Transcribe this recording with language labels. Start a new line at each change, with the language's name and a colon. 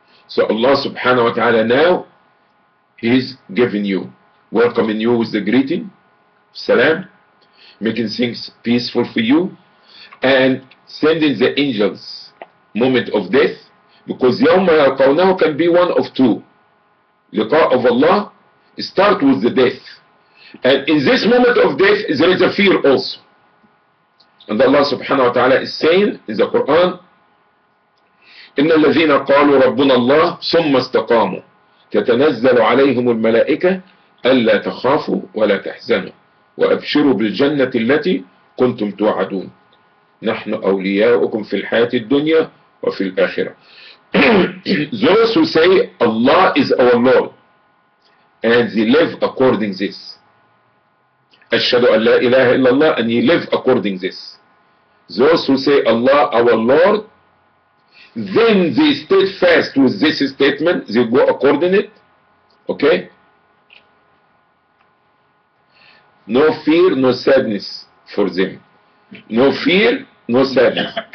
English: So Allah subhanahu wa ta'ala now, He's giving you, welcoming you with the greeting, salam, making things peaceful for you, and sending the angels, moment of death, because
Arabic: يَوْمَ يَلْقَوْنَهُ
English: can be one of two. Liqa of Allah start with the death. And in this moment of death, there is a fear also.
Arabic: And Allah subhanahu wa ta'ala is saying in the Quran, إِنَّ الَّذِينَ قَالُوا رَبُّنَا اللَّهِ ثُمَّ اسْتَقَامُوا تَتَنَزَّلُ عَلَيْهِمُ الْمَلَائِكَةِ أَلَّا تَخَافُوا وَلَا تَحْزَنُوا وَأَبْشِرُوا بِالْجَنَّةِ الَّتِي كُنْتُمْ تُوعَدُونَ نَحْنُ أَوْلِيَاؤُكُمْ فِي الْحَيَاةِ الدُّنْيَا وَفِي الْآخِرَةِ
English: Those who say Allah is our Lord and they live according this.
Arabic: أَشْهَدُ أَنْ لَا إِلَهَ إِلَّا اللَّهِ
English: and you live according this. Those who say Allah our Lord, then they steadfast with this statement, they go according it. Okay? No fear, no sadness for them. No fear, no sadness.